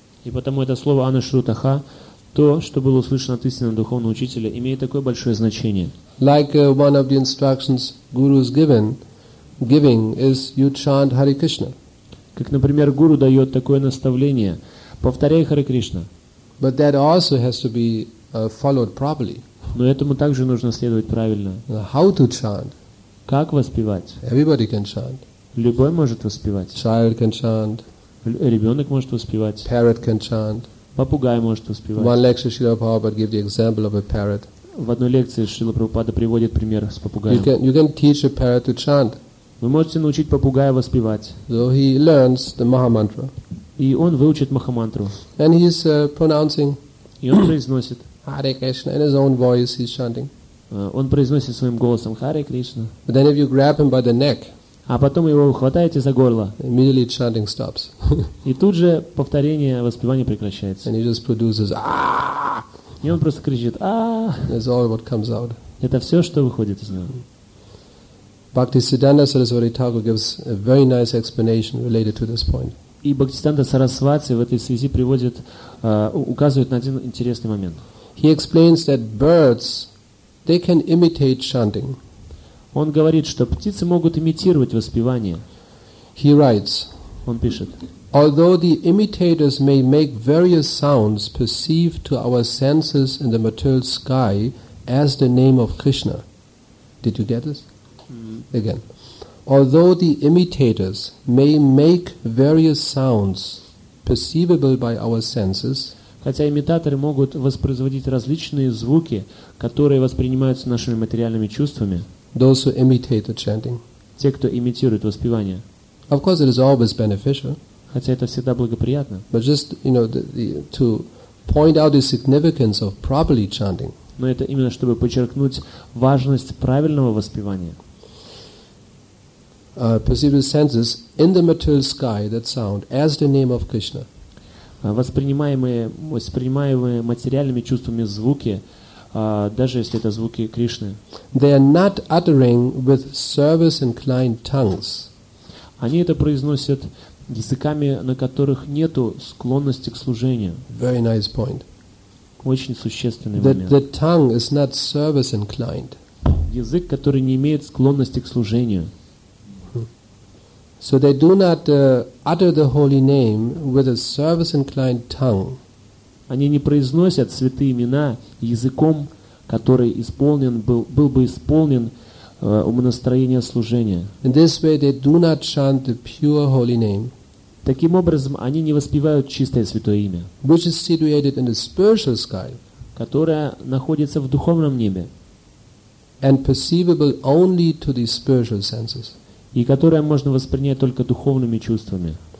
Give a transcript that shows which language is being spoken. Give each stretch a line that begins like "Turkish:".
Russian: И потому это слово anushrutaha, то, что было услышано от истинного духовного учителя, имеет такое большое значение.
English: Like one of the instructions Guru is giving is you chant Hare Krishna.
Russian: Как, например, Гуру дает такое наставление: повторяй Харе Кришна.
English: But that also has to be followed properly.
Russian: Но этому также нужно следовать правильно.
English: How to chant?
Russian: Как воспевать?
English: Everybody can chant.
Russian: Любой может воспевать.
English: Child can chant.
Russian: Ребенок может воспевать.
English: Parrot can chant.
Russian: Попугай может воспевать.
English: One lecture Srila Prabhupada gave the example of a parrot.
Russian: В одной лекции Шрила Прабхупада приводит пример с попугаем.
English: You can teach a parrot to chant.
Russian: Вы можете научить попугая воспевать.
English: So he learns the Mahamantra.
Russian: И он выучит Махамантру.
English: And he's pronouncing.
Russian: И он произносит.
English: Hare Krishna, in his own voice he's chanting.
Russian: Он произносит своим голосом Hare Krishna.
English: But then if you grab him by the neck,
Russian: а потом его хватаете за горло,
English: immediately chanting stops.
Russian: И тут же повторение воспевания прекращается.
English: And he just produces
Russian: И он просто кричит
English: That's all what comes out.
Russian: Это все, что выходит из него.
English: Bhaktisiddhanta Sarasvati Thakur gives a very nice explanation related to this point.
Russian: И Бхактисиддханта Сарасвати в этой связи приводит, указывает на один интересный момент.
English: He explains that birds, they can imitate chanting.
Russian: Он говорит, что птицы могут имитировать воспевание.
English: He writes.
Russian: Он пишет.
English: Although the imitators may make various sounds perceived to our senses in the material sky as the name of Krishna. Did you get this? Again. Although the imitators may make various sounds perceivable by our senses,
Russian: хотя имитаторы могут воспроизводить различные звуки, которые воспринимаются нашими материальными чувствами,
English: those who imitate the chanting,
Russian: те, кто имитирует воспевание,
English: of course it is always beneficial,
Russian: хотя это всегда благоприятно,
English: but just, you know, to point out the significance of properly chanting,
Russian: но это именно чтобы подчеркнуть важность правильного воспевания.
English: Perceive the senses in the material sky, that sound, as the name of Krishna.
Russian: Воспринимаемые материальными чувствами звуки, даже если это звуки Кришны.
English: They are not uttering with service-inclined tongues.
Russian: Они это произносят языками, на которых нету склонности к служению.
English: Very nice point.
Russian: Очень существенный
English: the,
Russian: момент.
English: The tongue is not service-inclined.
Russian: Язык, который не имеет склонности к служению.
English: So they do not utter the holy name with a service-inclined tongue.
Russian: Они не произносят святые имена языком, который был бы исполнен умонастроения служения.
English: In this way, they do not chant the pure holy name.
Russian: Таким образом, они не воспевают чистое святое имя,
English: which is situated in the spiritual sky,
Russian: которое находится в духовном небе,
English: and perceivable only to the spiritual senses,
Russian: и которое можно воспринять только духовными чувствами.